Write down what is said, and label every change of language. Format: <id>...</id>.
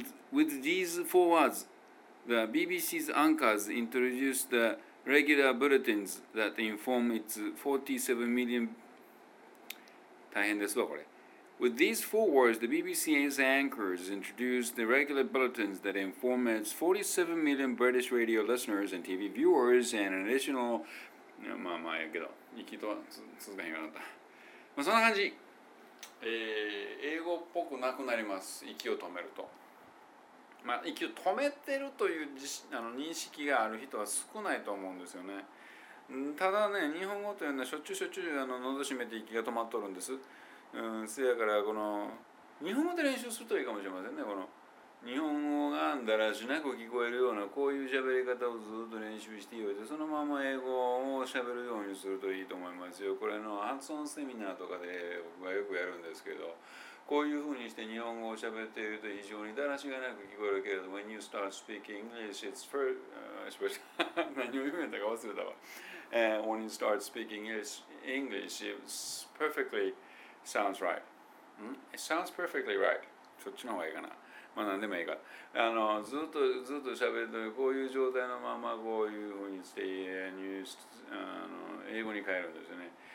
<en>With these four words, the BBC's anchors introduced the regular bulletins that inform its 47 million...</en> <ja>大変ですわ、これ。</ja> <en>With these four words, the BBC's anchors introduced the regular bulletins that inform its 47 million British radio listeners and TV viewers and an additional...</en> <ja>まあまあ、やけど、行きとは続かへんかなった。まあ、そんな感じ。英語っぽくなくなります、息を止めると。まあ、息を止めてるという認識がある人は少ないと思うんですよね。ただね、日本語というのはしょっちゅう喉閉めて息が止まっとるんです。せやからこの日本語で練習するといいかもしれませんね。この日本語がだらしなく聞こえるようなこういう喋り方をずっと練習しておいて、そのまま英語を喋るようにするといいと思いますよ。これの発音セミナーとかで僕はよくやるんですけど、こういうふうにして日本語を喋っていると非常にだらしがなく聞こえるけれど、</ja> <en>When you start speaking English, it's first...</en> <ja>何を言うんやったか忘れたわ。</ja> <en>When you start speaking English, it's perfectly sounds right. It sounds perfectly right.</en> <ja>そっちの方がいいかな。まあ何でもいいか。ずっと喋るとこういう状態のままこういうふうにして英語に変えるんですよね。</ja>